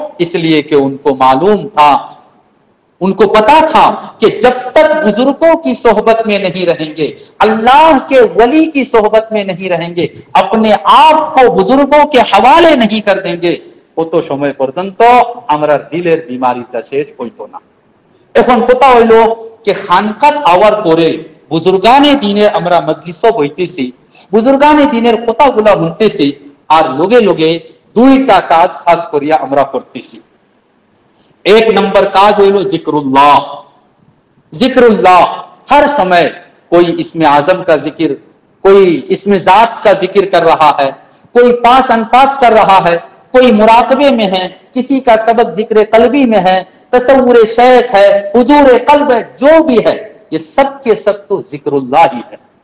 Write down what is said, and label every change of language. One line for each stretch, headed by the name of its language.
Hindi: इसलिए कि उनको मालूम था, उनको पता था कि जब तक बुजुर्गों की सोहबत में नहीं रहेंगे, अल्लाह के वली की सोहबत में नहीं रहेंगे, अपने आप को बुजुर्गों के हवाले नहीं कर देंगे, वो तो समय पर्यंत हमारा दिलेर बीमारी का शेष कोई तो ना।
Bangla: এখন কথা হইলো কি খানকাত আওয়ার পরে বুজুর্গানে দিনের আমরা মজলিসও বইতেছি, বুজুর্গানে দিনের কথাগুলো বলতেছি, আর লগে লগে দুইটা কাজ খাস করিয়া আমরা করতেছি।
Hindi: एक नंबर का जो है जिक्रुल्लाह, जिक्रुल्लाह हर समय, कोई इसमें आजम का जिक्र, कोई इसमें जात का जिक्र कर रहा है, कोई पास अनपास कर रहा है, कोई मुराकबे में है, किसी का सबक जिक्र कल्बी में है, तसव्वुर शेख है, हुजूर कल्ब है, जो भी है, ये सब के सब तो जिक्रुल्लाह ही है।